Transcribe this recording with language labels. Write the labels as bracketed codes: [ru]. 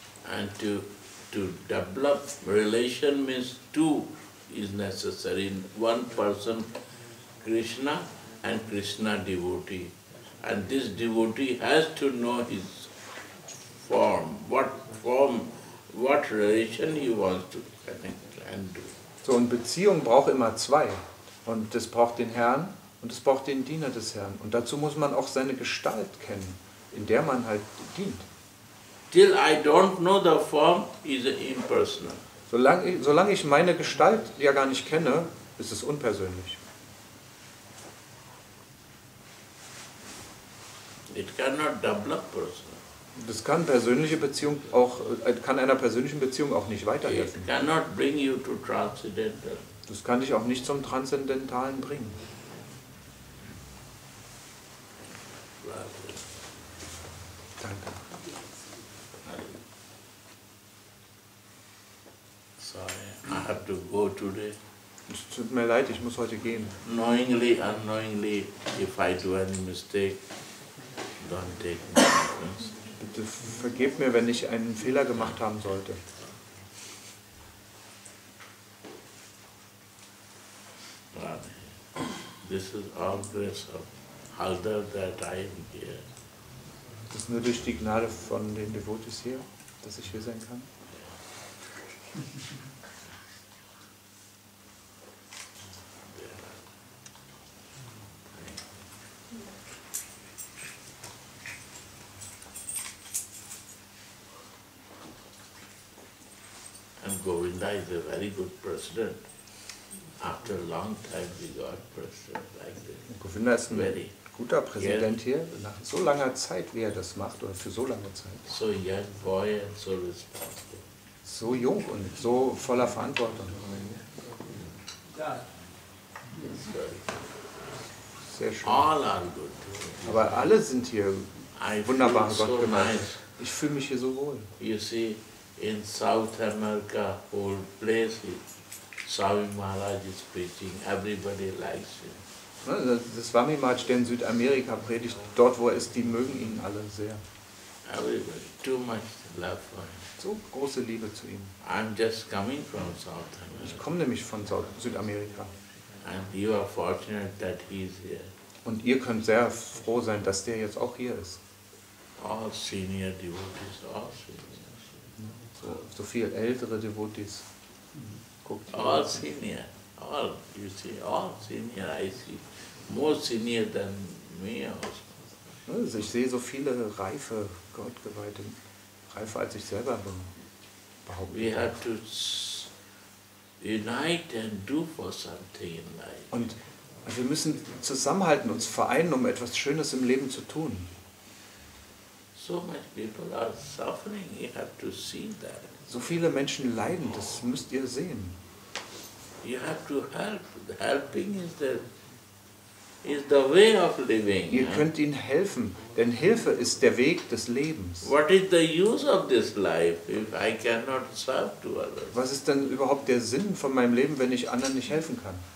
[en] And to develop relation means two is necessary. One person, Krishna, and Krishna devotee. And this devotee has to know his form, what relation he wants to connect and do. [de] So, und Beziehung braucht immer zwei. Und das braucht den Herrn und es braucht den Diener des Herrn. Und dazu muss man auch seine Gestalt kennen, in der man halt dient. [en] Till I don't know the form, is impersonal. [de] Solange ich meine Gestalt ja gar nicht kenne, ist es unpersönlich. [en] It cannot develop personal. [de] Das kann persönliche Beziehung auch kann einer persönlichen Beziehung auch nicht weiterhelfen. [en] It cannot bring you to transcendental. [de] Das kann dich auch nicht zum Transzendentalen bringen. Danke. [en] I have to go today. [de] Es tut mir leid, ich muss heute gehen. [en] Knowingly, unknowingly, if I do any mistake, don't take me. [de] Bitte vergib mir, wenn ich einen Fehler gemacht haben sollte. [en] This is all grace of Haldar that I am here. [de] Das ist nur durch die Gnade von den Devotees hier, dass ich hier sein kann. [en] Govinda is a very good president. After a long time we got president like this. [de] Govinda ist ein very guter Präsident hier, nach so langer Zeit, wie er das macht, oder für so lange Zeit. [en] So young boy and so responsible. [de] So jung und so voller Verantwortung. Sehr schön. [en] All are good. [de] Aber alle sind hier wunderbar Gott gemacht. Ich fühle mich hier so wohl. [en] You see, in South America, old place, Swami Maharaj is preaching, everybody likes him. [de] Das Swami Maharaj, der in Südamerika predigt, dort wo er ist, die mögen ihn alle sehr. [en] Everybody, too much love for him. [de] So große Liebe zu ihm. [en] I'm just coming from South America. [de] Ich komme nämlich von Südamerika. [en] And you are fortunate that he is here. [de] Und ihr könnt sehr froh sein, dass der jetzt auch hier ist. [en] All senior devotees, all senior. [de] So viel ältere Devotees. [en] Guckt all senior. All, you see, all senior, I see. More senior than me also. [de] Also ich sehe so viele reife Gottgeweihte. Reifer als ich selber behaupte. [en] We have to unite and do for something in life. [de] Und wir müssen zusammenhalten, uns vereinen, um etwas Schönes im Leben zu tun. [en] So many people are suffering, you have to see that. [de] So viele Menschen leiden, das müsst ihr sehen. [en] You have to help. Helping is the way of living. [de] Ihr könnt ihnen helfen, denn Hilfe ist der Weg des Lebens. [en] What is the use of this life if I cannot serve to others? [de] Was ist denn überhaupt der Sinn von meinem Leben, wenn ich anderen nicht helfen kann?